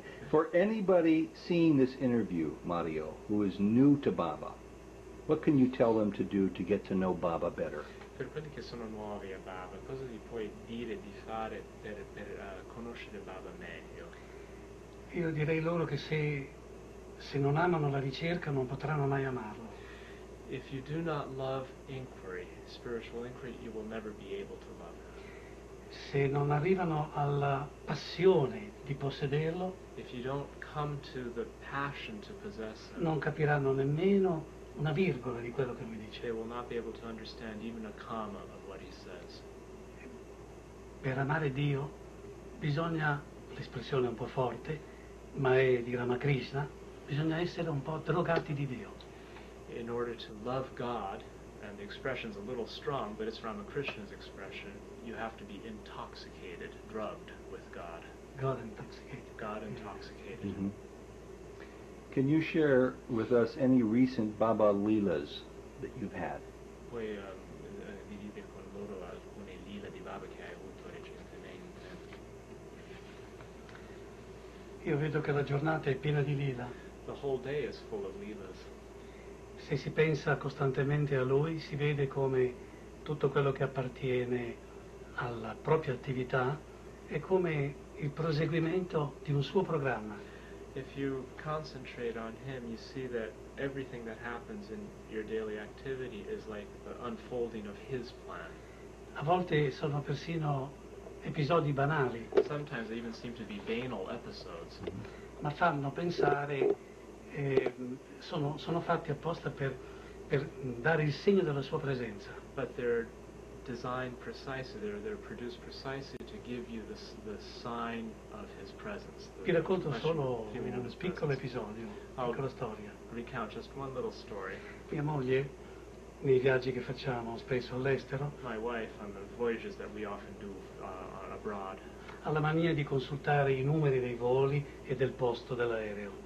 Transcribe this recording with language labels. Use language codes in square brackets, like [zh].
[en] For anybody seeing this interview, Mario, who is new to Baba, what can you tell them to do to get to know Baba better? [it] Per quelli che sono nuovi a Baba, cosa gli puoi dire di fare per conoscere Baba meglio? Io direi loro che se non amano la ricerca non potranno mai amarlo. [en] If you do not love inquiry, spiritual inquiry, you will never be able to love him. [it] Se non arrivano alla passione di possederlo, [en] if you don't come to the passion to possess him, [it] non capiranno nemmeno una virgola di quello che lui dice. [en] They will not be able to understand even a comma of what he says. [it] Per amare Dio bisogna, l'espressione è un po' forte, ma è di Ramakrishna, bisogna essere un po' drogati di Dio. [en] In order to love God, and the expression is a little strong, but it's Ramakrishna's expression, you have to be intoxicated, drugged with God. God intoxicated. God intoxicated. Mm-hmm. Can you share with us any recent Baba Leelas that you've had? [it] Puoi dividere con loro alcune Leela di Baba che hai avuto recentemente? Io vedo che la giornata è piena di Leela. [en] The whole day is full of Leelas. [it] Se si pensa costantemente a lui, si vede come tutto quello che appartiene alla propria attività è come il proseguimento di un suo programma. [en] If you concentrate on him, you see that everything that happens in your daily activity is like the unfolding of his plan. [it] A volte sono persino episodi banali. [en] Sometimes they even seem to be banal episodes. [it] Ma fanno pensare, sono fatti apposta per dare il segno della sua presenza. [en] But they're designed precisely, they're produced precisely to give you the sign of his presence. [it] Ti racconto solo un piccolo episodio, una piccola storia. [en] Recount just one little story. [it] Mia moglie, nei viaggi che facciamo spesso all'estero, [en] my wife on the voyages that we often do abroad, [it] ha la mania di consultare i numeri dei voli e del posto dell'aereo.